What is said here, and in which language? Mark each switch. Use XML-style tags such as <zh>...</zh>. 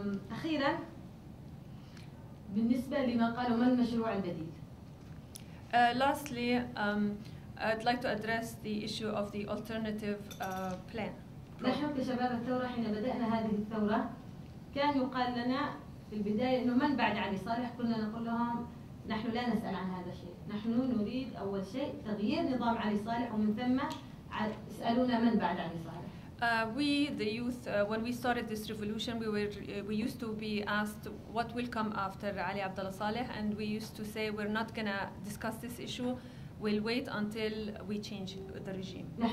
<ar>أخيرا بالنسبة لما قالوا ما المشروع البديل.</ar> <en>Lastly, I'd like to address the issue of the alternative plan.</en> <ar>نحن كشباب الثورة حين بدأنا هذه الثورة كان يقال لنا في البداية إنه من بعد علي صالح كنا نقول لهم نحن لا نسأل عن هذا الشيء نحن نريد أول شيء تغيير نظام علي صالح ومن ثم اسألونا من بعد علي صالح.</ar> <en>We, the youth, when we started this revolution, we used to be asked what will come after Ali Abdullah Saleh, and we used to say we're not going to discuss this issue. We'll wait until we change the regime.</en>